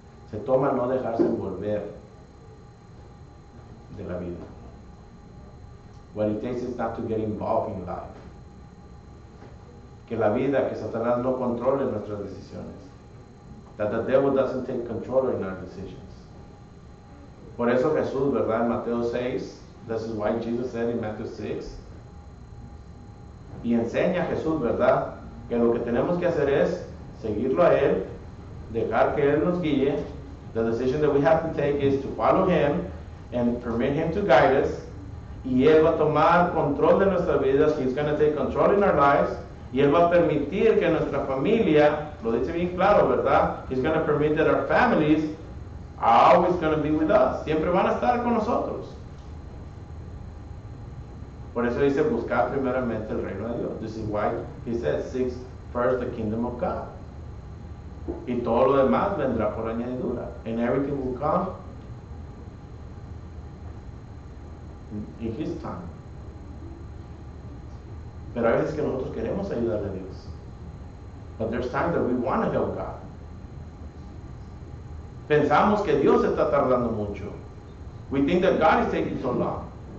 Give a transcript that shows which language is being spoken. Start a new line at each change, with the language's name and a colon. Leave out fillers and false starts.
Spanish: Se toma no dejarse envolver de la vida.
English: What it takes is not to get involved in life.
Spanish: Que la vida, que Satanás no controle nuestras decisiones.
English: That the devil doesn't take control in our decisions.
Spanish: Por eso Jesús, ¿verdad? En Mateo 6,
English: this is why Jesus said in Matthew 6.
Spanish: Y enseña a Jesús, ¿verdad? Que lo que tenemos que hacer es seguirlo a Él, dejar que Él nos guíe.
English: The decision that we have to take is to follow Him and permit Him to guide us.
Spanish: Y Él va a tomar control de nuestras vidas.
English: He's going to take control in our lives.
Spanish: Y Él va a permitir que nuestra familia, lo dice bien claro, ¿verdad?
English: He's going to permit that our families are always going to be with us.
Spanish: Siempre van a estar con nosotros. Por eso dice, buscar primeramente el reino de Dios.
English: This is why he says, seek first the kingdom of God.
Spanish: Y todo lo demás vendrá por añadidura.
English: And everything will come in his time.
Spanish: Pero hay veces que nosotros queremos ayudar a Dios.
English: But there's time that we want to help God.
Spanish: Pensamos que Dios está tardando mucho.
English: We think that God is taking so long.